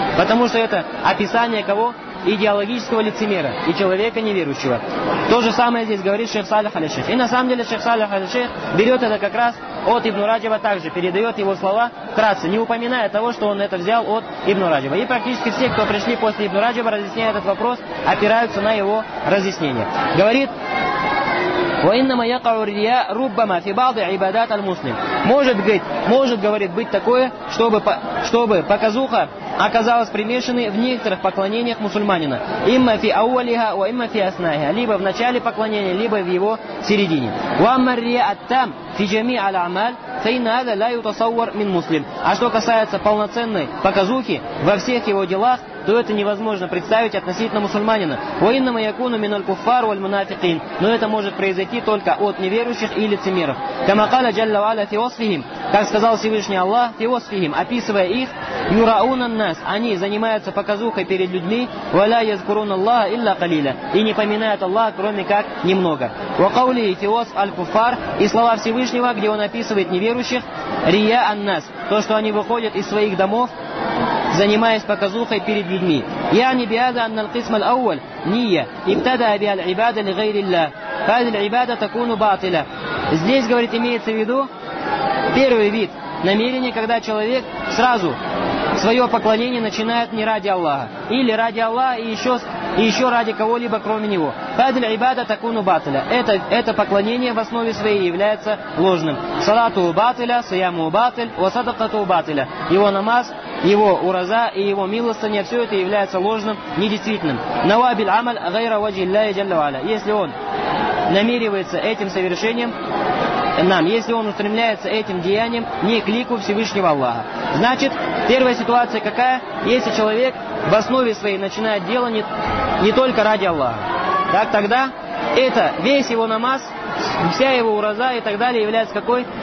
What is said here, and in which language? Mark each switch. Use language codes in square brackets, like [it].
[ru] Потому что это описание кого? Идеологического лицемера и человека неверующего. То же самое здесь говорит шейх Салих аль-Шейх. И на самом деле шейх Салих аль-Шейх берет это как раз от Ибн Раджаба, также передает его слова вкратце, не упоминая того, что он это взял от Ибн Раджаба. И практически все, кто пришли после Ибн Раджаба, разъясняя этот вопрос, опираются на его разъяснение. [ar] Говорит, وَإِنَّمَا يَقَعُ الرِّيَا رُبَّمَا فِي بَعْضِ عِبَادَاتِ الْمُسْلِمِ. [ru] Может, говорит, быть такое, чтобы показуха оказалась примешанной в некоторых поклонениях мусульманина. [ar] إِمَّا فِي أَوَّلِهَا وَإِمَّا فِي أَسْنَاهِهَا. [ru] Либо в начале поклонения, либо в его середине. [ar] وَأَمَّا الرِّيَا التَّامُ فِي جَمِيعِ الْأَعْمَالِ فَإِنَّ هَذَا لَا يُتَصَوَّرُ مِنْ مُسْلِمٍ. [ru] А что касается полноценной показухи во всех его делах, то это невозможно представить относительно мусульманина. [ar] وَإِنَّمَا يَكُونُ مِنَ الْكُفَّارِ وَالْمُنَافِقِينَ. [ru] Но это может произойти только от неверующих и лицемеров. [ar] كَمَا قَالَ جَلَّ وَعَلَى فِي وَصْفِهِمْ. [ru] Как сказал Всевышний Аллах, [ar] فِي وَصْفِهِمْ, [ru] описывая их, [ar] يُرَاؤُونَ النَّاسَ. [ru] Они занимаются показухой перед людьми. [ar] وَلَا يَذْكُرُونَ اللَّهَ إِلَّا قَلِيلًا. [ru] И не поминают Аллаха, кроме как немного. [ar] وَقَوْلِهِ فِي وَصْفِ الْكُفَّارِ. [ru] И слова Всевышнего, где он описывает неверующих, [ar] رِيَاءَ النَّاسِ. [ru] То, что они выходят из своих домов, занимаясь показухой перед людьми. [ar] يعني بهذا أن القسم الأول نية ابتدأ بها العبادة لغير الله فهذه العبادة تكون باطلة. [ru] Здесь, говорит, имеется в виду первый вид намерения, когда человек сразу свое поклонение начинает не ради Аллаха, или ради Аллаха и еще ради кого-либо, кроме него. [ar] فهذه العبادة تكون باطلة. [ru] Это поклонение в основе своей является ложным. [ar] صلاته باطلة, صيامه باطل, وصدقته باطلة. [ru] Его намаз, его ураза и его милостыня, все это является ложным, недействительным. [ar] Навабиль амаль гайра ваджхи ллахи джалла ваала. [ru] Если он намеревается этим совершением нам, если он устремляется этим деянием не к лику Всевышнего Аллаха. Значит, первая ситуация какая? Если человек в основе своей начинает дело не только ради Аллаха, так тогда это весь его намаз, вся его ураза и так далее является какой?